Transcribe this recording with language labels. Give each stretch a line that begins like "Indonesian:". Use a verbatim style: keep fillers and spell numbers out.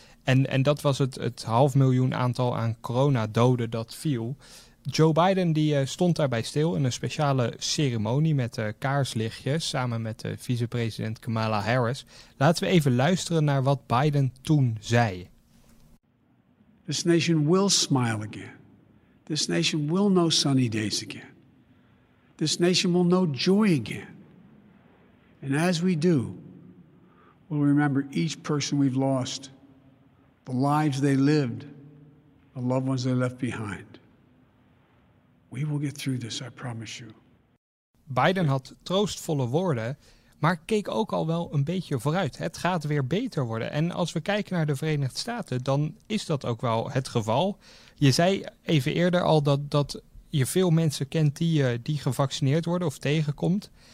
Dutch: En, en dat was het, het half miljoen aantal aan coronadoden dat viel. Joe Biden die uh, stond daarbij stil in een speciale ceremonie met uh, kaarslichtjes samen met uh, vicepresident Kamala Harris. Laten we even luisteren naar wat Biden toen zei.
English: This nation will smile again. This nation will know sunny days again. This nation will know joy again. And as we do, we'll remember each person we've lost, the lives they lived, the loved ones they left behind. We will get through this, I promise you.
Dutch: Biden had troostvolle woorden, maar keek ook al wel een beetje vooruit. Het gaat weer beter worden. En als we kijken naar de Verenigde Staten, dan is dat ook wel het geval. Je zei even eerder al dat, dat je veel mensen kent die, die gevaccineerd worden of tegenkomt.